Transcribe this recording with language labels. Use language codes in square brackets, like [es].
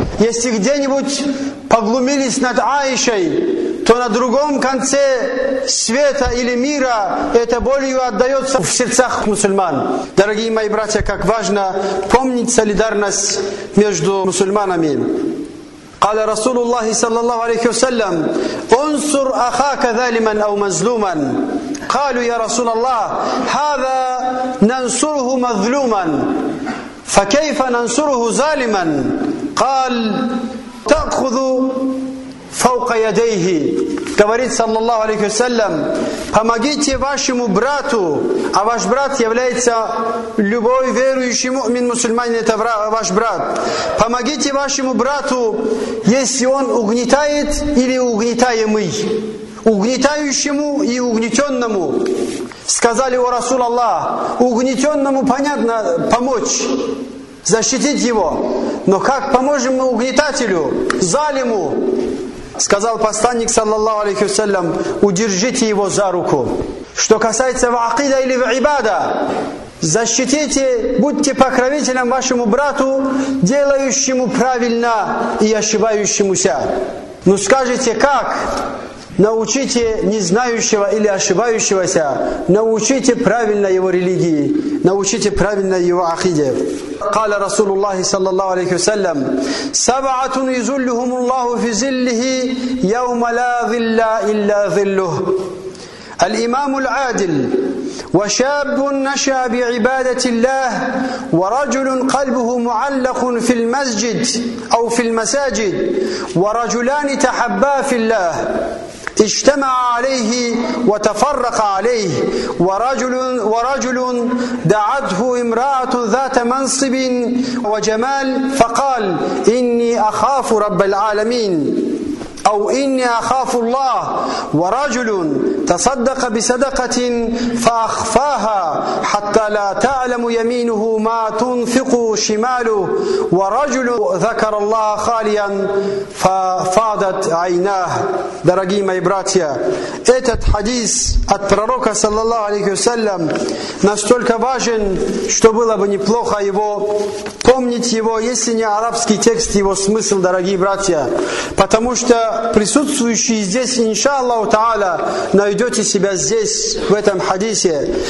[ru] Если где-нибудь поглумились над Аишей, то на другом конце света или мира эта болью отдается в сердцах мусульман. Дорогие мои братья, как важно помнить солидарность между мусульманами. [ar] قال رسول الله صلى الله عليه وسلم انصر اخاك ظالما او مظلوما قالوا يا رسول الله هذا ننصره مظلوما فكيف ننصره ظالما قال تاخذ فوق يديه [ru] говорит [ar] صلى الله عليه وسلم [ru] помогите вашему брату, а ваш брат [ar] является любой верующий мумин мусульманин, это ваш брат. [ru] Помогите вашему брату, если он угнетает или угнетаемый. Угнетающему и угнетенному. Сказали у Расул Аллах, угнетенному понятно помочь, защитить его. Но как поможем мы угнетателю, залиму? Сказал посланник, саллаллаху алейхи вассалям, удержите его за руку. Что касается в акида или в ибада, защитите, будьте покровителем вашему брату, делающему правильно и ошибающемуся. Ну скажите, как? Научите незнающего или ошибающегося, научите правильно его религии, научите правильно его акиде. [ar] قال رسول الله صلى الله عليه وسلم سبعة يظلهم الله في ظله يوم لا ظل إلا ظله الإمام العادل وشاب نشأ بعبادة الله ورجل قلبه معلق في المسجد أو في المساجد ورجلان تحبا في الله اجتمع عليه وتفرق عليه ورجل دعته امرأة ذات منصب وجمال فقال إني أخاف رب العالمين أو إني أخاف الله ورجل تصدق بصدقة فأخفاها حتى لا تعلم يمينه ما تنفق شماله ورجل ذكر الله خاليا ففاضت عيناه. [ru] Дорогие мои братья, этот хадис от пророка, саллаллаху алейхи ва саллям, настолько важен, что было бы неплохо его помнить его, если не арабский текст, его смысл, дорогие братья. Потому что присутствующие здесь, иншаллаху та'аля, найдете себя здесь, в этом хадисе.